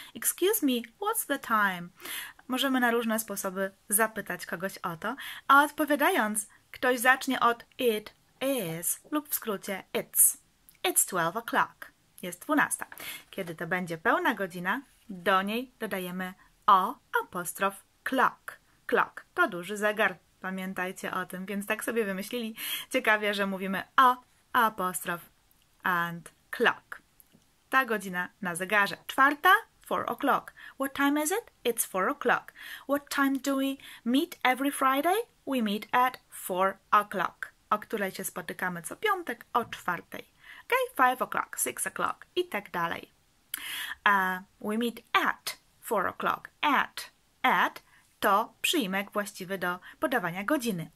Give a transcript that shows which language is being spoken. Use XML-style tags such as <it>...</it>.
<en>Excuse me, what's the time?</en> <pl>Możemy na różne sposoby zapytać kogoś o to, a odpowiadając, ktoś zacznie od</pl> <en>it is</en> <pl>lub w skrócie it's.</pl> <en>It's 12 o'clock.</en> <pl>Jest 12. Kiedy to będzie pełna godzina, do niej dodajemy o apostrof clock. Clock to duży zegar. Pamiętajcie o tym, więc tak sobie wymyślili. Ciekawie, że mówimy o apostrof and clock. Ta godzina na zegarze. Czwarta,</pl> <en>4 o'clock. What time is it? It's 4 o'clock. What time do we meet every Friday? We meet at 4 o'clock.</en> <pl>O której się spotykamy co piątek?</pl> <en>O czwartej. Okay, 5 o'clock, 6 o'clock</en> <pl>i tak dalej.</pl> <en>We meet at 4 o'clock. At.</en> <pl>To przyimek właściwy do podawania godziny.</pl>